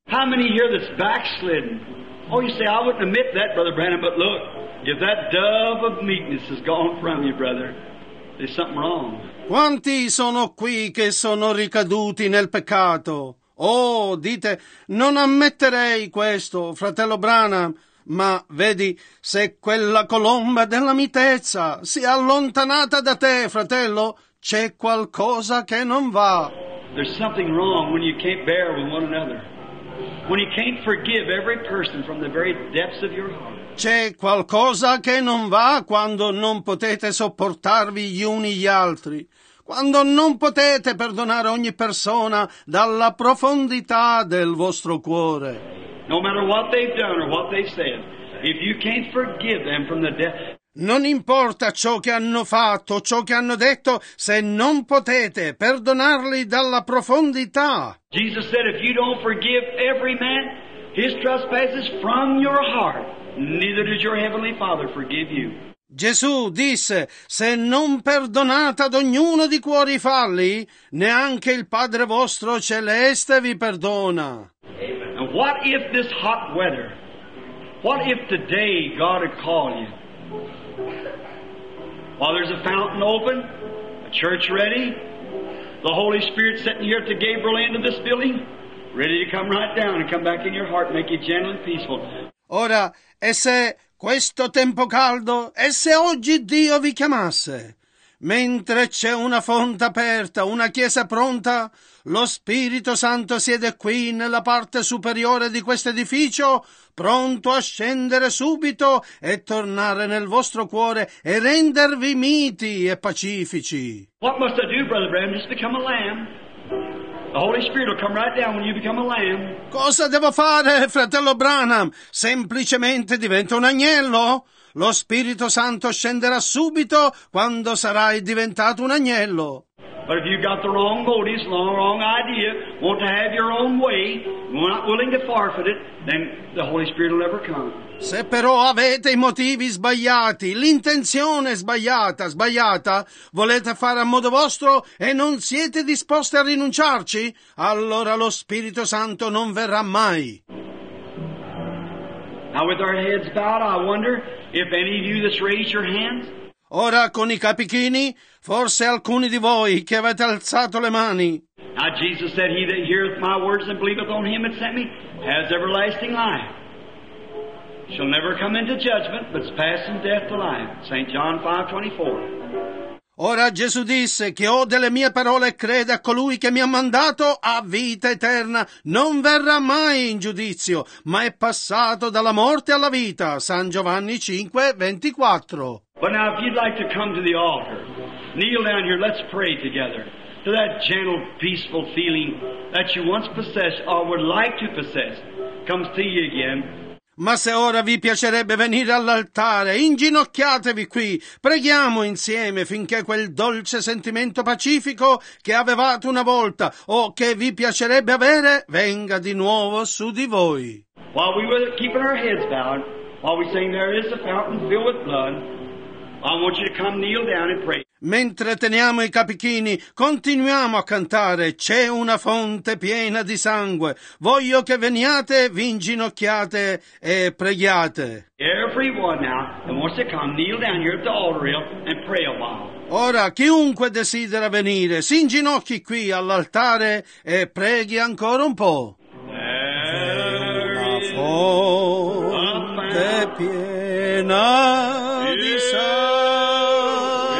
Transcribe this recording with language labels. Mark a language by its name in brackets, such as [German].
[English] How many here that's backslidden? Oh, you say, I wouldn't admit that, Brother Branham, but look, if that dove of meekness has gone from you, brother, there's something wrong. [Italian] Quanti sono qui che sono ricaduti nel peccato? Oh, dite, non ammetterei questo, fratello Branham, ma vedi, se quella colomba della mitezza si è allontanata da te, fratello, c'è qualcosa che non va. [English] There's something wrong when you can't bear with one another. When you can't forgive every person from the very depths of your heart. [Italian] C'è qualcosa che non va quando non potete sopportarvi gli uni gli altri. Quando non potete perdonare ogni persona dalla profondità del vostro cuore. [English] No matter what they've done or what they've said, if you can't forgive them from the depths. [Italian] Non importa ciò che hanno fatto, ciò che hanno detto, se non potete perdonarli dalla profondità. [English] Jesus said, if you don't forgive every man his trespasses from your heart, neither does your heavenly Father forgive you. [Italian] Gesù disse, se non perdonate ad ognuno di cuore i falli, neanche il Padre vostro celeste vi perdona. [English] Amen. And what if this hot weather, what if today God had called you? While there's a fountain open, a church ready, the Holy Spirit sitting here at the gable end of this building, ready to come right down and come back in your heart and make you gentle and peaceful. [Italian] Ora, e se questo tempo caldo, e se oggi Dio vi chiamasse, mentre c'è una fonte aperta, una chiesa pronta, lo Spirito Santo siede qui nella parte superiore di questo edificio, pronto a scendere subito e tornare nel vostro cuore e rendervi miti e pacifici. [English] What must I do, Brother Branham? Just become a lamb. The Holy Spirit will come right down when you become a lamb. [Italian] Cosa devo fare, fratello Branham? Semplicemente divento un agnello? Lo Spirito Santo scenderà subito quando sarai diventato un agnello. [English] But if you've got the wrong motives, wrong idea, want to have your own way, you're not willing to forfeit it, then the Holy Spirit will never come. [Italian] Se però avete i motivi sbagliati, l'intenzione sbagliata, volete fare a modo vostro e non siete disposti a rinunciarci, allora lo Spirito Santo non verrà mai. [English] Now with our heads bowed, I wonder if any of you that's raised your hands. [Italian] Ora con i capi chini, forse alcuni di voi che avete alzato le mani. [English] Now Jesus said, he that heareth my words and believeth on him that sent me has everlasting life. Shall never come into judgment, but is passed from death to life. St. John 5:24. [Italian] Ora Gesù disse, chi ode le mie parole e crede a colui che mi ha mandato ha vita eterna, non verrà mai in giudizio, ma è passato dalla morte alla vita. San Giovanni 5:24. [English] But now if you'd like to come to the altar, kneel down here, let's pray together. To that gentle, peaceful feeling that you once possessed or would like to possess comes to you again. [Italian] Ma se ora vi piacerebbe venire all'altare, inginocchiatevi qui, preghiamo insieme finché quel dolce sentimento pacifico che avevate una volta o che vi piacerebbe avere venga di nuovo su di voi. [English] While we were keeping our heads bowed, while we saying there is a fountain filled with blood, I want you to come kneel down and pray. [Italian] Mentre teniamo i capi chini, continuiamo a cantare, c'è una fonte piena di sangue. Voglio che veniate, vi inginocchiate e preghiate. [English] Everyone now wants to come, kneel down here at the altar rail and pray a while. [Italian] Ora, chiunque desidera venire, si inginocchi qui all'altare e preghi ancora un po'. Una fonte piena di sangue.